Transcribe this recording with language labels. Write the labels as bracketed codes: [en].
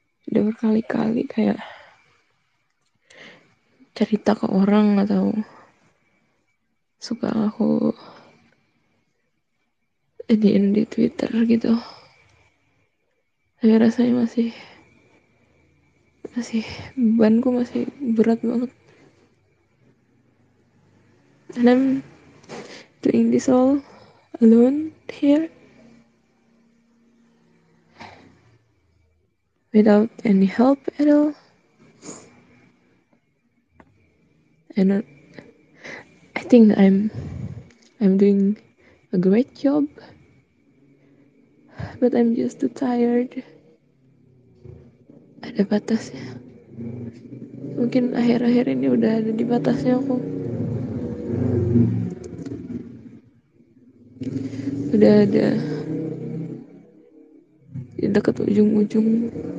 [id] Udah berkali-kali kayak cerita ke orang atau suka aku ini di Twitter gitu. Tapi rasanya masih masih bebanku masih berat banget. [en] And I'm doing this all alone here. Without any help at all. And I think I'm doing a great job, but I'm just too tired. [id] Ada batasnya. Mungkin akhir-akhir ini udah ada di batasnya aku. Udah ada di deket ujung-ujung.